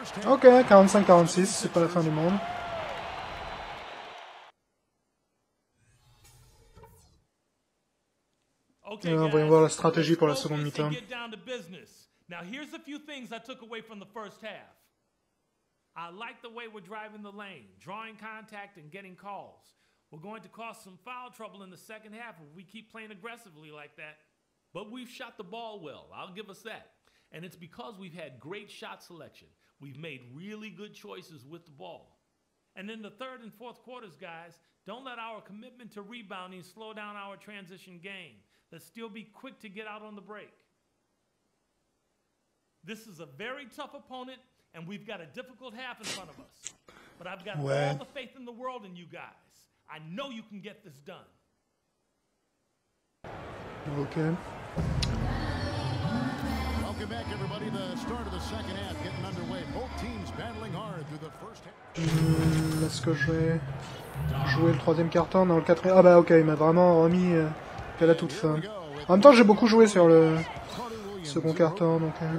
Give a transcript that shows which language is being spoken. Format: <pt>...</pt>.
<fr>Ok, 45-46, c'est pas la fin du monde. Alors, voyons voir la stratégie pour la seconde mi-temps.</fr> <en>Now here's a few things I took away from the first half. I like the way we're driving the lane, drawing contact and getting calls. We're going to cause some foul trouble in the second half if we keep playing aggressively like that. But we've shot the ball well, I'll give us that. And it's because we've had great shot selection. We've made really good choices with the ball. And in the third and fourth quarters, guys, don't let our commitment to rebounding slow down our transition game. Let's still be quick to get out on the break. This is a very tough opponent, and we've got a difficult half in front of us. But I've got ouais. All the faith in the world in you guys. I know you can get this done. Okay. Welcome back, everybody. The start of the second half getting underway. Both teams battling hard through the first half.</en> <fr>Est-ce que je vais jouer le troisième quart-temps dans le quatrième? Ah bah ok, il m'a vraiment remis qu'à la toute fin. En même temps, j'ai beaucoup joué sur le second carton, donc.</fr>